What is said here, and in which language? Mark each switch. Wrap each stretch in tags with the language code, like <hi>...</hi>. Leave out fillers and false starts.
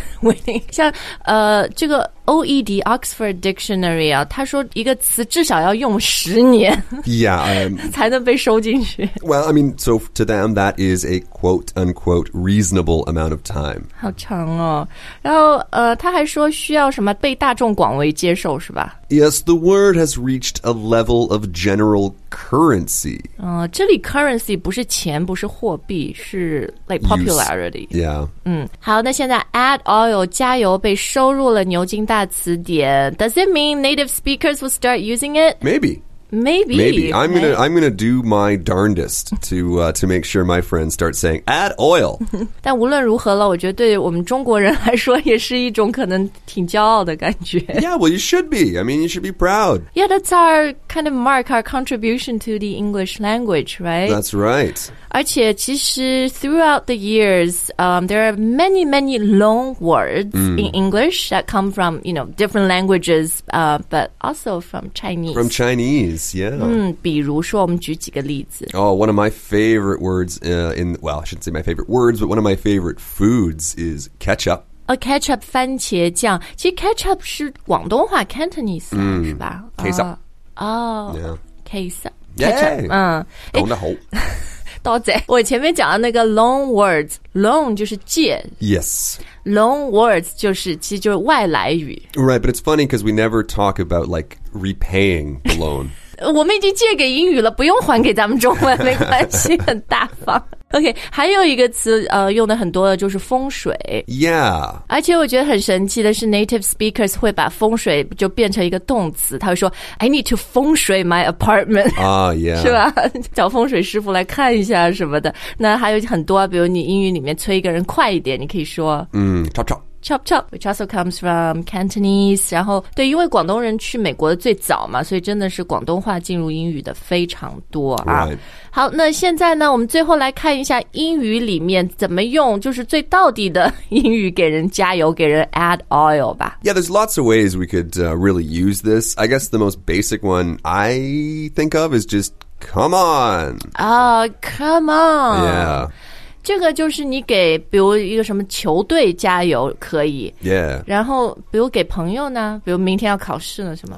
<zh>Winning 像这个 OED Oxford Dictionary 啊他说一个词至少要用十年</zh> <en>Yeah</en> <zh>才能被收进去</zh> <en>Well I mean so to them that is a quote unquote reasonable amount of time</en> <zh>好长哦然后他还说需要什么被大众广为接受是吧</zh> <en>Yes, the word has reached a level of general currency.</en> <zh>这里 currency 不是钱，不是货币，是</zh> <en>like popularity. Use, yeah.</en> <zh>好，那现在 add oil 加油被收入了牛津大词典。</zh> <en>Does it mean native speakers will start using it? Maybe. Maybe. Maybe. I'm gonna do my darndest to make sure my friends start saying, add oil.</en> <zh>但无论如何了，我觉得对我们中国人来说也是一种可能挺骄傲的感觉。</zh> <en>Yeah, well, you should be. I mean, you should be proud. Yeah, that's our kind of mark, our contribution to the English language, right? That's right.</en> <zh>而且其实</zh> <en>throughout the years, there are many, many long words in English that come from, you know, different languages, but also from Chinese. From Chinese. Yeah.</en> <zh>比如说我们举几个例子</zh> <en>Oh, one of my favorite words in, well, I shouldn't say my favorite words, but one of my favorite foods is ketchup.</en> <zh>A ketchup, 番茄酱其实 ketchup 是广东话 Cantonese,、是吧</zh> <en>Ketchup. Ketchup.</en> <zh>Yeah. 懂得好多谢我前面讲的那个 long words, long 就是介</zh> <en>Yes.</en> <zh>Long words 就是其实就是外来语</zh> <en>Right, but it's funny because we never talk about like repaying the loan.</en> <zh>我们已经借给英语了，不用还给咱们中文，没关系，很大方。 OK, 还有一个词用的很多的就是风水。</zh> <en>Yeah.</en> <zh>而且我觉得很神奇的是 native speakers 会把风水就变成一个动词。他会说</zh> <en>I need to 风水 my apartment. Yeah.</en> <zh>是吧，找风水师傅来看一下什么的。那还有很多，比如你英语里面催一个人快一点，你可以说</zh> <en>chop chop. Chop chop, which also comes from Cantonese.</en> <zh>然后对，因为广东人去美国的最早嘛，所以真的是广东话进入英语的非常多啊。</zh> <en>Right.</en> <zh>好，那现在呢，我们最后来看一下英语里面怎么用，就是最道地的英语给人加油，给人 add oil 吧。</zh> <en>Yeah, there's lots of ways we could really use this. I guess the most basic one I think of is just come on. Come on. Yeah.</en> <zh>这个就是你给比如一个什么球队加油可以。</zh> <en>Yeah.</en> <zh>然后比如给朋友呢，比如明天要考试呢什么。</zh>